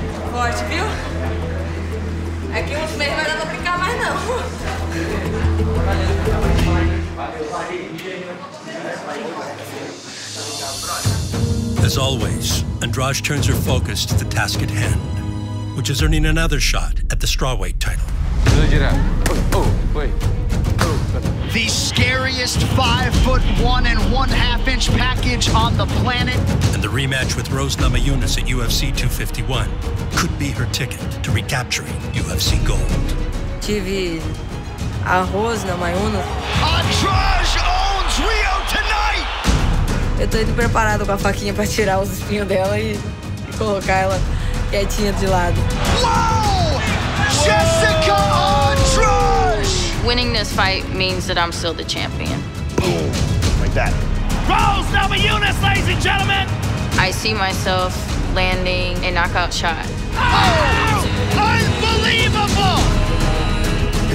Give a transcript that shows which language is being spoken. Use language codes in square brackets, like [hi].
[pt] Forte, viu? É que uns meses vai dar pra ficar mais, não. [en] As always, Andrade turns her focus to the task at hand, which is earning another shot at the strawweight title. The scariest 5'1" and 1/2 inch package on the planet. And the rematch with Rose Namajunas at UFC 251 could be her ticket to recapturing UFC gold. [pt] Tive a Rose Namajunas. [en] Andrade owns Rio tonight! [pt] Eu tô indo preparado com a faquinha pra tirar os espinhos dela e colocar ela quietinha de lado. [en] Wow! Jessica Andrade! Winning this fight means that I'm still the champion. Boom, like that. Rose Namajunas, ladies and gentlemen! I see myself landing a knockout shot. Oh! Unbelievable!